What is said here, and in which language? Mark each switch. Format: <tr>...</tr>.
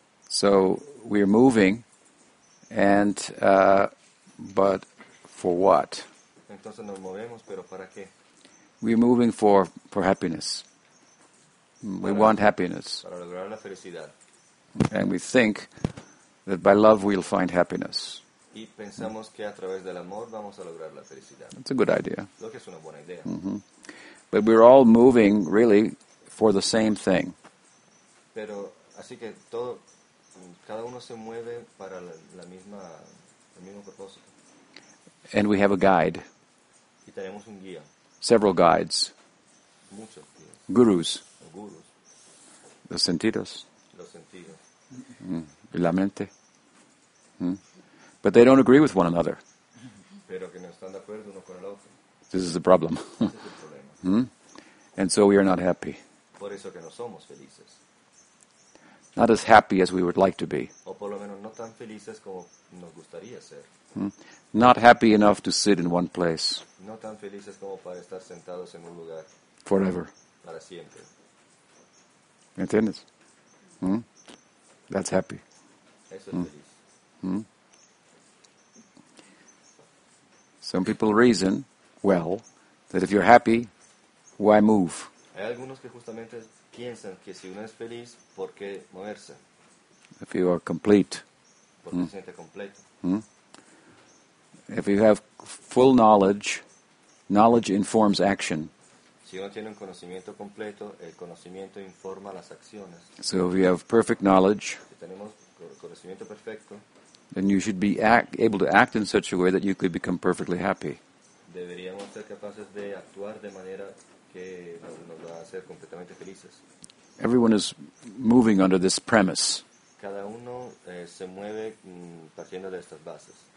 <en>So we are moving, and but for what?</en> <es>Entonces nos movemos, pero ¿para qué?</es> <en>We are moving for happiness. We want happiness.</en> <es>Para lograr la felicidad.</es> <en>And we think that by love we'll find happiness.</en> <es>Y pensamos que a través del amor vamos a lograr la felicidad.</es> <en>That's a good idea.</en> <es>Lo que es una buena idea.</es> <en>But we're all moving really for the same thing.</en> <es>Pero así que todo, cada uno se mueve para el mismo propósito.</es> <en>And we have a guide.</en> <es>Y tenemos un guía.</es> <en>Several guides.</en> <es>Muchos guías. Gurus. O gurus. Los sentidos. Los sentidos. Y la mente.</es> <en>But they don't agree with one another.</en> <es>Pero que no están de acuerdo uno con el otro.</es> <en>This is the problem. And so we are not happy.</en> <es>Por eso que no somos felices.</es> <en>Not as happy as we would like to be.</en> <es>O por lo menos no tan felices como nos gustaría ser.</es> <en>Not happy enough to sit in one place.</en> <es>No tan felices como para estar sentados en un lugar.</es> <en>Forever.</en> <es>Para siempre. ¿Entiendes?</es> <en>That's happy.</en> <es>Eso es feliz.</es> <en>Some people reason, well, that if you're happy, why move?</en> <es>Hay algunos que justamente piensan que si uno es feliz, ¿por qué moverse?</es> <en>If you are complete.</en> <es>Porque se siente completo.</es> <en>If you have full knowledge, knowledge informs action.</en> <es>Si uno tiene un conocimiento completo, el conocimiento informa las acciones.</es> <en>So if you have perfect knowledge,</en> <es>si tenemos conocimiento perfecto,</es> <en>then you should be able to act in such a way that you could become perfectly happy.</en> <es>Deberíamos ser capaces de actuar de manera que nos va a hacer completamente felices.</es> <en>Everyone is moving under this premise.</en> <es>Cada uno se mueve partiendo de estas bases.</es>